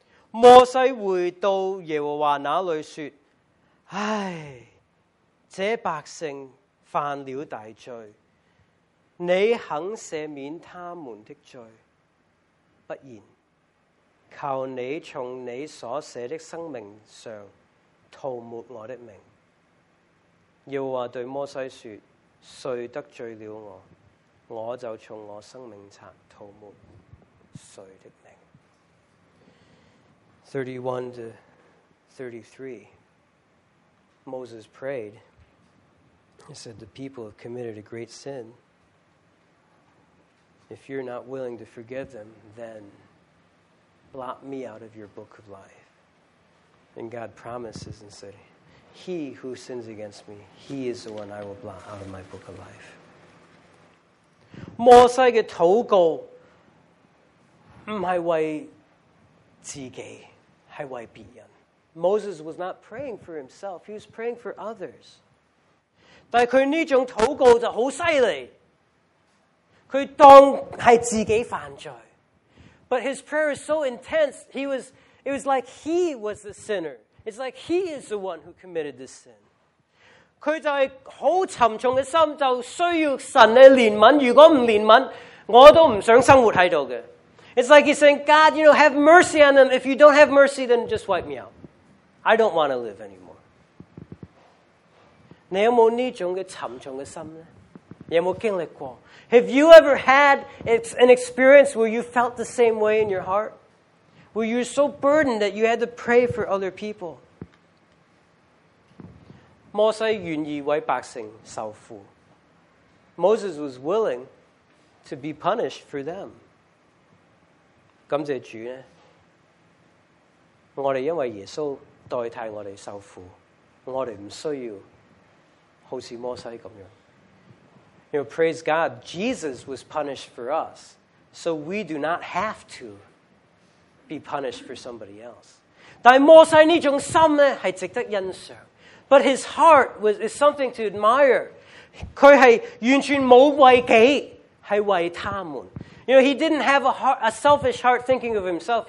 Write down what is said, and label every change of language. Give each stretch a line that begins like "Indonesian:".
Chinese: 摩西回到耶和华那里说，唉，这百姓犯了大罪，你肯赦免他们的罪，不然求你从你所写的生命上涂抹我的名。耶和华对摩西说，谁得罪了我，我就从我生命册涂抹谁的名。
English: 31-33 Moses prayed. He said, the people have committed a great sin. If you're not willing to forgive them, then blot me out of your book of life. And God promises and said, he who sins against me, he is the one I will blot out of my book of life.
Chinese: 摩西的祷告不是为自己，是为别人。
English: Moses was not praying for himself, he was praying for others.
Chinese: 但他这种祷告就很犀利，他当是自己犯罪。
English: But his prayer is so intense, it was like he was the sinner. It's like he is the one who committed this sin.
Chinese: 他就是很沉重的心，就需要神的怜悯，如果不怜悯，我都不想生活在这里。
English: It's like he's saying, God, you know, have mercy on them. If you don't have mercy, then just wipe me out. I don't want to live anymore.
Chinese: 你有没有这种沉重的心呢？有没有经历过？
English: Have you ever had an experience where you felt the same way in your heart? Where you were so burdened that you had to pray for other people?
Chinese: 摩西愿意为百姓受苦。
English: Moses was willing to be punished for them.
Chinese: 感谢主呢，我们因为耶稣代替我们受苦，我们不需要好像摩西这样。
English: You know, praise God, Jesus was punished for us, so we do not have to be punished for somebody else.
Chinese: 但摩西这种心呢，是值得欣赏。
English: But his heart is something to admire.
Chinese: 他是完全没为己，是为他们。
English: You know, he didn't have a selfish heart thinking of himself.